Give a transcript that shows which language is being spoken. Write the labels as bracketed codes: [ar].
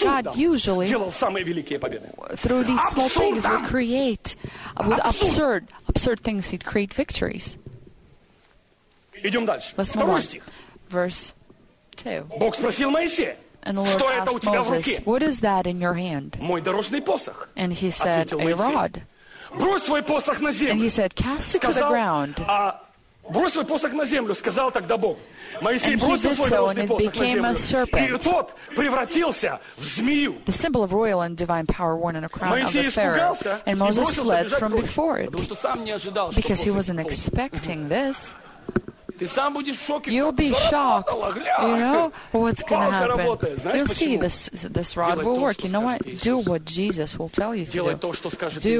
[en] God usually, through these small things, would create with absurd things, he'd create victories. Let's move on. Verse 2. And the Lord asked Moses, what is that in your hand? And he said, a rod. And he said, cast it to the ground. [ru] Брось свой посох на землю, сказал тогда Бог. Моисей бросил свой дорожный посох на землю, и тот превратился в змею. [en] The symbol of royal and divine power worn in a crown of the pharaoh, and Moses fled from before it, because he wasn't expecting this. You'll be shocked, you know, what's going to happen. You'll see this rod will work. You know what? Do what Jesus will tell you to do.